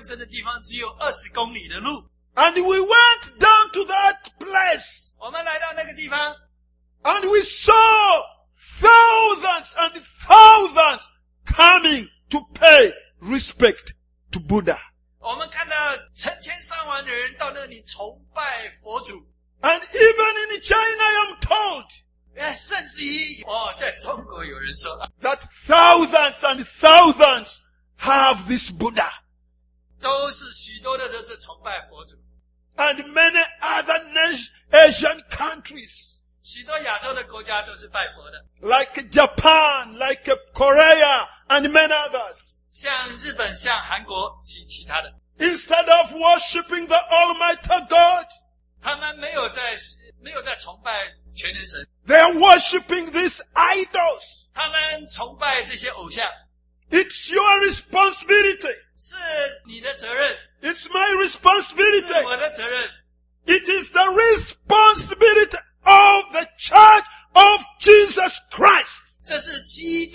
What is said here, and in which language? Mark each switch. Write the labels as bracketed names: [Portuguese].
[Chinese] 那个地方距离佛祖降生的地方只有20公里的路. [English] And we went down to that place. [Chinese] 我们来到那个地方. [English] And we saw thousands and thousands coming to pay respect to Buddha. [Chinese] 我们看到成千上万的人到那里崇拜佛祖. [English] And even in China, I'm told, [Chinese] 甚至于在中国有人说, [English] that thousands and thousands have this Buddha. [Chinese] 都是许多的都是崇拜佛祖. [English] And many other Asian countries, [Chinese] 许多亚洲的国家都是拜佛的. [English] Like Japan, like Korea, and many others. [Chinese] 像日本、像韩国及其他的. [English] Instead of worshipping the Almighty God, [Chinese] 他们没有在崇拜全能神. [English] They are worshipping these idols. [Chinese] 他们崇拜这些偶像. [English] It's your responsibility. [Chinese] 是你的责任. [English] It's my responsibility. [Chinese] 是我的责任. [English] It is the responsibility of the Church of Jesus Christ.